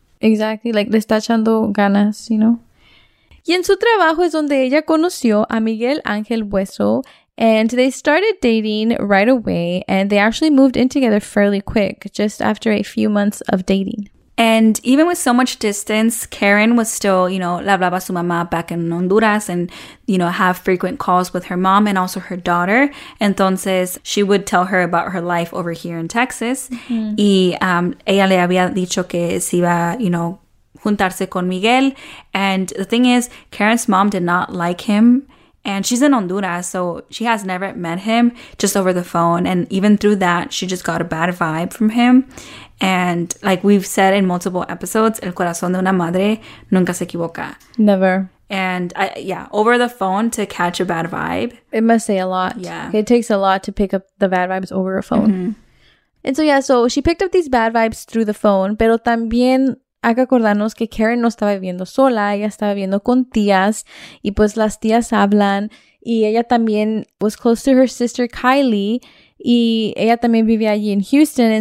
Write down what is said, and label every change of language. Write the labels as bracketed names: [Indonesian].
[English] Exactly, like [Spanish] le está echando ganas, [English] you know. [Spanish] Y en su trabajo es donde ella conoció a [English] Miguel Ángel Bueso, and they started dating right away, and they actually moved in together fairly quick, just after a few months of dating. And even with so much distance, Karen was still, you know, [Spanish] la hablaba su mamá [English] back in Honduras and, you know, have frequent calls with her mom and also her daughter. Entonces, she would tell her about her life over here in Texas. Mm-hmm. [Spanish] Y ella le había dicho que se iba, [English] you know, [Spanish] juntarse con Miguel. [English] And the thing is, Karen's mom did not like him. And she's in Honduras, so she has never met him, just over the phone. And even through that, she just got a bad vibe from him. And like we've said in multiple episodes, [Spanish] el corazón de una madre nunca se equivoca. [English] Never. And over the phone to catch a bad vibe. It must say a lot. Yeah. It takes a lot to pick up the bad vibes over a phone. Mm-hmm. And so, yeah, so she picked up these bad vibes through the phone, [Spanish] pero también... Hay que acordarnos que Karen no estaba viviendo sola, ella estaba viviendo con tías y pues las tías hablan y ella también [English] was close to her sister Kylie [Spanish] y ella también vivía allí en Houston.